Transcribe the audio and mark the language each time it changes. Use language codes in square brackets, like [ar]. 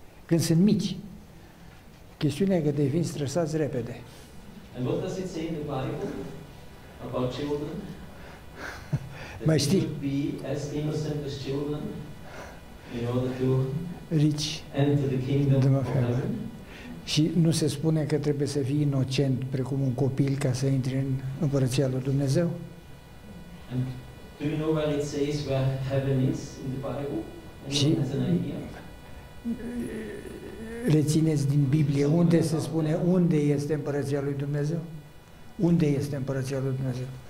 [ro] Când sunt mici, chestiunea e că devin stresați repede. [en] And what does it say in the Bible about children? [ro] Mai știi? [en] Should be as innocent as children in order to reach enter the kingdom of heaven. [ro] Și nu se spune că trebuie să fii inocent precum un copil ca să intri în împărăția lui Dumnezeu? [en] Do you know where it says where heaven is in the Bible? Anyone has an idea? [ro] Rețineți din Biblie unde se spune unde este împărăția lui Dumnezeu? Unde este împărăția lui Dumnezeu?